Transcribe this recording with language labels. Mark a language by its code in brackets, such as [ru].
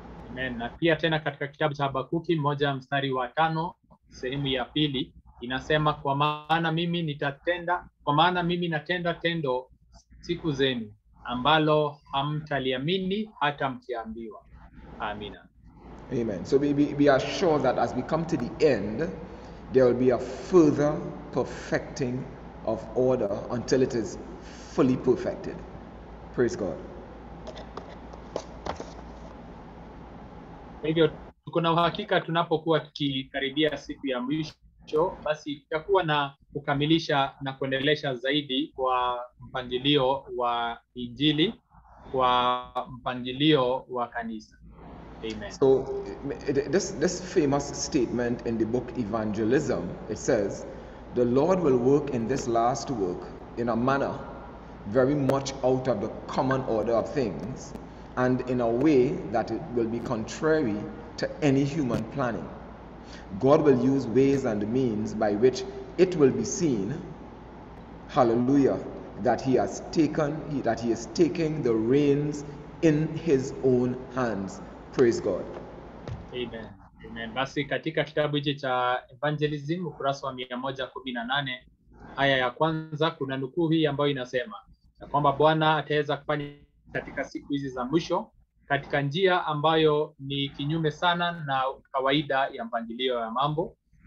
[sw] Amen. Na pia tena katika kitabu cha Habakuki 1 mstari wa 5 sehemu ya pili inasema, kwa maana mimi natenda tendo siku zenu ambalo hamtaliamini hata mkiambiwa. Amina. [en] Amen. So we are sure that as we come to the end, there will be a further perfecting of order until it is fully perfected. Praise God. [sw] Hivyo tuko na uhakika tunapokuwa tukikaribia siku ya mwisho, basi tutakuwa na kukamilisha na kuendelesha zaidi kwa mpangilio wa injili, kwa mpangilio wa kanisa. [en] Amen. So this famous statement in the book Evangelism, it says, the Lord will work in this last work in a manner very much out of the common order of things and in a way that it will be contrary to any human planning. God will use ways and means by which it will be seen, hallelujah, that he is taking the reins in his own hands. Praise God. Amen. Amen. [sw] Basi katika kitabu hiki cha Evangelism ukurasa wa 118 aya ya kwanza kuna nukuu hii ambayo inasema kwamba Bwana ataweza kufanya katika siku hizi za mwisho katika njia ambayo ni kinyume sana na kawaida ya mpangilio ya mambo,